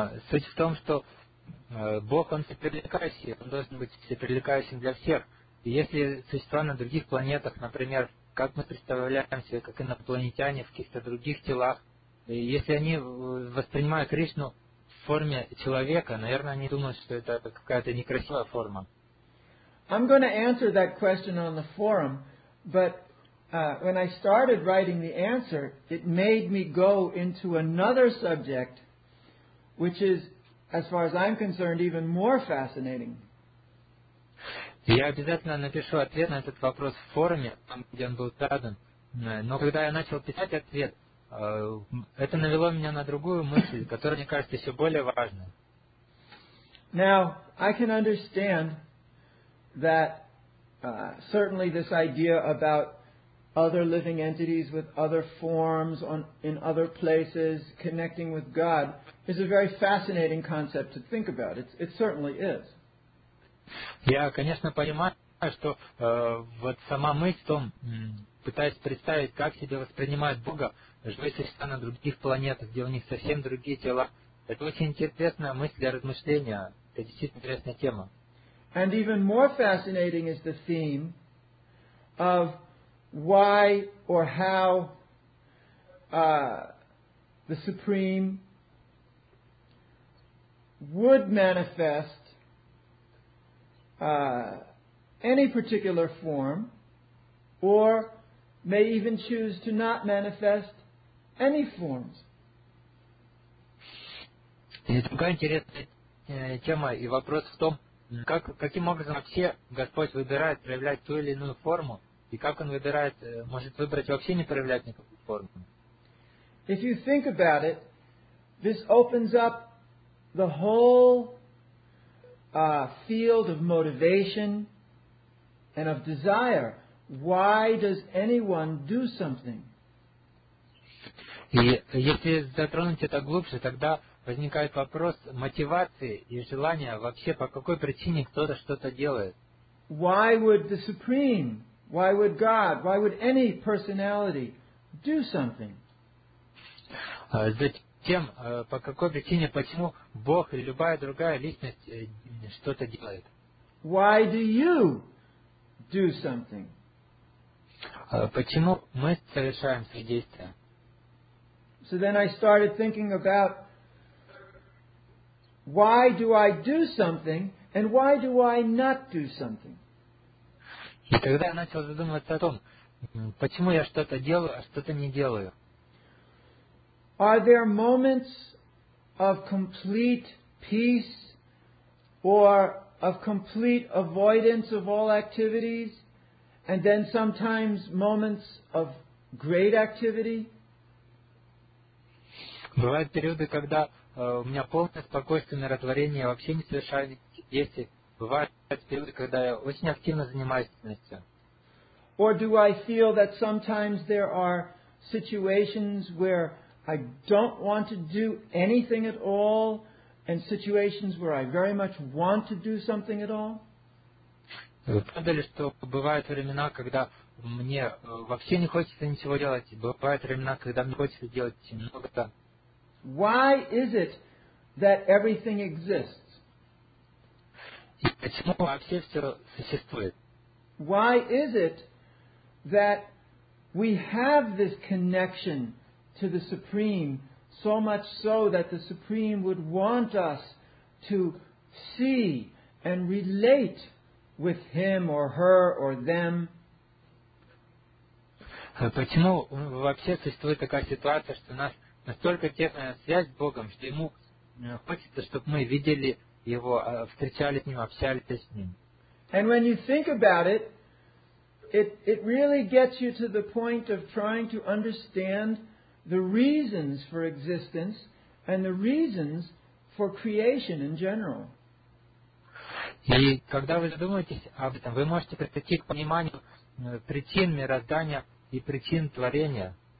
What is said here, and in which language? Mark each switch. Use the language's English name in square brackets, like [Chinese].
[Russian] Суть в том, что Бог, Он всепривлекающий, Он должен быть всепривлекающим для всех. И если существа на других планетах, например, как мы представляем себе, как инопланетяне в каких-то других телах, если они воспринимают Кришну в форме человека, наверное, они думают, что это какая-то некрасивая форма. [English] I'm going to answer that question on the forum, but when I started writing the answer, it made me go into another subject, which is, as far as I'm concerned, even more fascinating. [Russian] Я обязательно напишу ответ на этот вопрос в форуме, там, где он был задан. Но когда я начал писать ответ, это навело меня на другую мысль, которая, мне кажется, еще более важная. [English] Now, I can understand that certainly this idea about other living entities with other forms on in other places connecting with God is a very fascinating concept to think about. It certainly is. [Russian] Я, конечно, понимаю, что вот сама мысль о том, пытаясь представить, как себя воспринимают Бога живые существа на других планетах, где у них совсем другие тела, это очень интересная мысль для размышления. Это действительно интересная тема. [English] And even more fascinating is the theme of why or how the Supreme would manifest any particular form, or may even choose to not manifest any forms. [Russian] Другая интересная тема и вопрос в том, каким образом вообще Господь выбирает проявлять ту или иную форму. И как он выбирает, может выбрать вообще не проявлять никакую форму? [English] If you think about it, this opens up the whole field of motivation and of desire. Why does anyone do something? [Russian] И если затронуть это глубже, тогда возникает вопрос мотивации и желания вообще, по какой причине кто-то что-то делает? [English] Why would the Supreme, why would God, why would any personality do something? [Russian] Затем, по какой причине, почему Бог или любая другая личность что-то делает? [English] Why do you do something? [Russian] Почему мы совершаем все действия? [English] So then I started thinking about why do I do something and why do I not do something? [Russian] И тогда я начал задумываться о том, почему я что-то делаю, а что-то не делаю. [English] Are there moments of complete peace or of complete avoidance of all activities and then sometimes moments of great activity? [Russian] Бывают периоды, когда у меня полное спокойствие, умиротворение, я вообще не совершаю действий. Бывают периоды, когда я очень активно занимаюсь деятельностью. [English] Or do I feel that sometimes there are situations where I don't want to do anything at all, and situations where I very much want to do something at all? [Russian] Вы поняли, что бывают времена, когда мне вообще не хочется ничего делать, бывают времена, когда мне хочется делать много-то. [English] Why is it that everything exists? [Russian] И почему вообще все существует? [English] Why is it that we have this connection to the Supreme, so much so that the Supreme would want us to see and relate with him or her or them? [Russian] Почему вообще существует такая ситуация, что у нас настолько тесная связь с Богом, что ему хочется, чтобы мы видели его, встречались с ним, общались с ним? [English] And when you think about it, it really gets you to the point of trying to understand the reasons for existence and the reasons for creation in general. [Russian] И когда вы задумаетесь об этом, вы можете прийти к пониманию причин мироздания и причин творения.